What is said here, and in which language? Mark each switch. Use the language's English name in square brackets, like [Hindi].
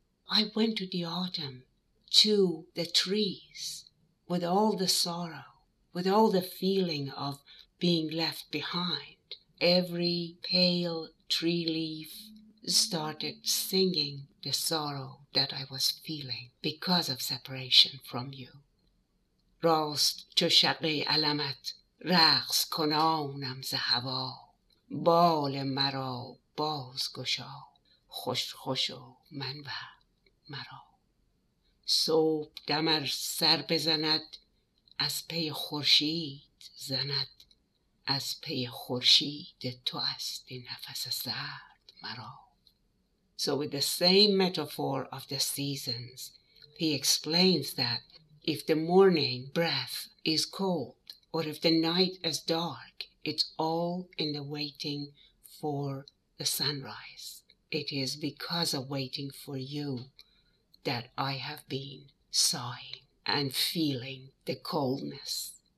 [English] I went to the autumn, to the trees, with all the sorrow, with all the feeling of being left behind. Every pale tree leaf started singing the sorrow that I was feeling because of separation from you. [Persian] راست چو شقی علمت رقص کنانم زهوا بال مرا باز گشا، خوش خوش و من و مرا. صبح دمر سر بزند، از پی خورشید زند، از پی خورشید تو است نفس سرد مرا. [English] So with the same metaphor of the seasons, he explains that if the morning breath is cold or if the night is dark, it's all in the waiting for the sunrise. It is because of waiting for you that I have been sighing and feeling the coldness.